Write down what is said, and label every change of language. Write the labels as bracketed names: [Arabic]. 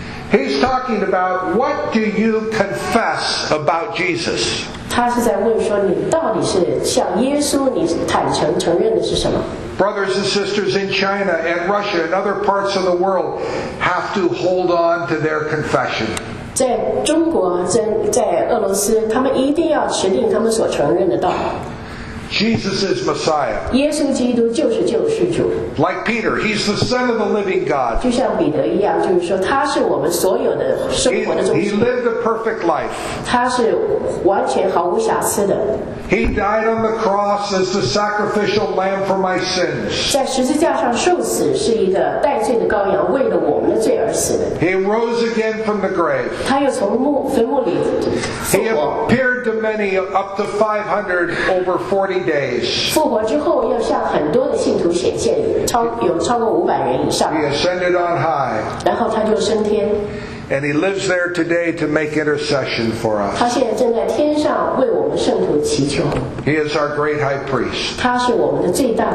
[English] He's talking about what do you confess about Jesus? Brothers and sisters in China and Russia and other parts of the world have to hold on to their confession. [Chinese] 在俄罗斯, 他们一定要持定他们所承认的道。 [English] Jesus is Messiah. [Chinese] 耶稣基督就是救世主。 [English] Like Peter, he's the Son of the living God. [Chinese] 就像彼得一样, 就是说, 他是我们所有的生活的中心。 [English] He lived a perfect life. [Chinese] 他是完全毫无瑕疵的。 [English] He died on the cross as the sacrificial lamb for my sins. [Chinese] 在十字架上受死, 是一个代罪的羔羊, 为了我们的罪而死的。 [English] He rose again from the grave. [Chinese] 他又从坟墓里, [English] He appeared to many up to 500 over 40 days. [Chinese] 复活之后又向很多的信徒显现, 超过500人以上。 [English] He ascended on high. [Chinese] 然后他就升天。 [English] And he lives there today to make intercession for us. He is our great high priest.